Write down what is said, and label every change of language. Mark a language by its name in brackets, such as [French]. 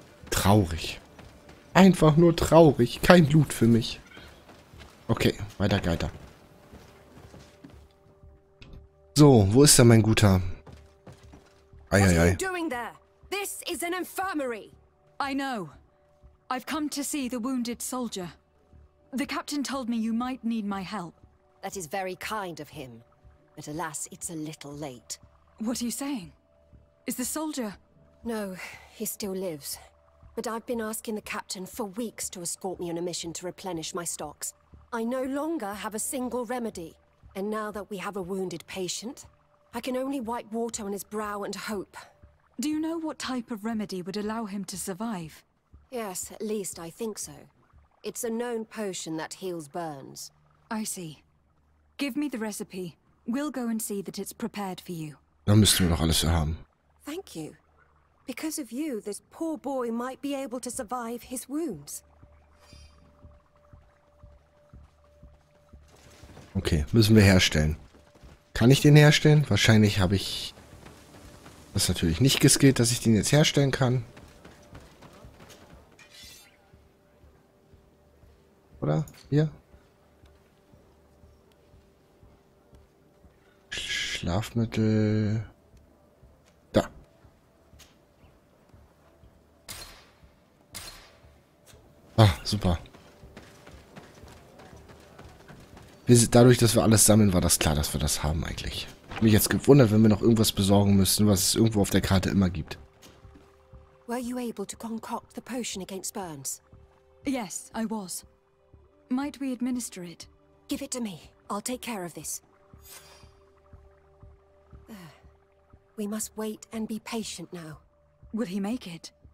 [German] Traurig. Einfach nur traurig. Kein Loot für mich. Okay, weiter, weiter. So, wo ist denn mein Guter? Eieiei. Was machst du da? Das ist eine Infirmary. Ich weiß. Ich komme, um den [English] wounded Soldier [German] zu sehen. [English] The captain told me you might need my help. That is very kind of him, but alas, it's a little late. What are you saying? Is the soldier? No, he still lives. But I've been asking the captain for weeks to escort me on a mission to replenish my stocks. I no longer have a single remedy, and now that we have a wounded patient, I can only wipe water on his brow and hope. Do you know what type of remedy would allow him to survive? Yes, at least I think so. It's a known potion that heals burns. I see. Give me the recipe. We'll go and see that it's prepared for you. [German] Dann müssen wir doch alles haben. [English] Thank you. Because of you, this poor boy might be able to survive his wounds. [German] Okay, müssen wir herstellen. Kann ich den herstellen? Wahrscheinlich habe ich das natürlich nicht geskillt, dass ich den jetzt herstellen kann. Oder? Hier? Schlafmittel. Da. Ah, super. Dadurch, dass wir alles sammeln, war das klar, dass wir das haben eigentlich. Ich bin mich jetzt gewundert, wenn wir noch irgendwas besorgen müssen, was es irgendwo auf der Karte immer gibt. [English] Were you able to concoct the potion against burns? Yes, I was. Might we administer it? Give it to me. I'll take care of this. There. We must wait and be patient now. Will he make it?